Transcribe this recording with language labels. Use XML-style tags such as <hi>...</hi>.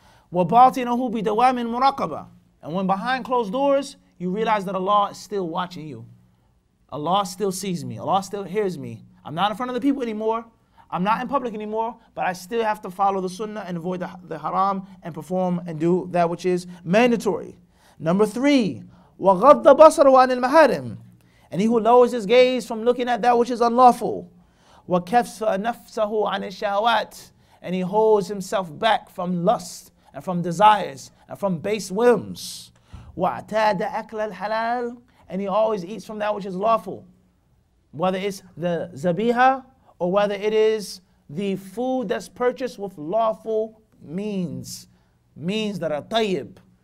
<ar>Wa batinahu bidawamin muraqaba.</ar> <en>And when behind closed doors, you realize that Allah is still watching you. Allah still sees me. Allah still hears me. I'm not in front of the people anymore. I'm not in public anymore, but I still have to follow the sunnah and avoid the haram and perform and do that which is mandatory. Number three,</en> <ar>وَغَضَّ بَصَرُ عَنِ الْمَحَارِمِ.</ar> <en>And he who lowers his gaze from looking at that which is unlawful.</en> <ar>وَكَفَّ نَفْسَهُ عَنِ الشَّهَوَاتِ.</ar> <en>And he holds himself back from lust and from desires and from base whims.</en> <ar>وَعْتَادَ أَكْلَ الْحَلَالِ.</ar> <en>And he always eats from that which is lawful. Whether it's the zabiha, or whether it is the food that's purchased with lawful means that are tayyib.</en>